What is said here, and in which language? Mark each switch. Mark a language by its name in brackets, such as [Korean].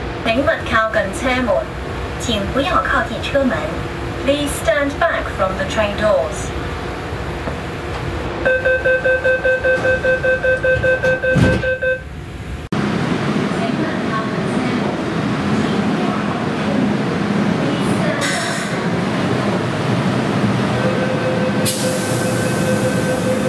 [Chinese] 请勿靠近车门，请不要靠近车门。 [English] Please stand back from the train doors. [Chinese] 请勿靠近车门，请不要靠近车门。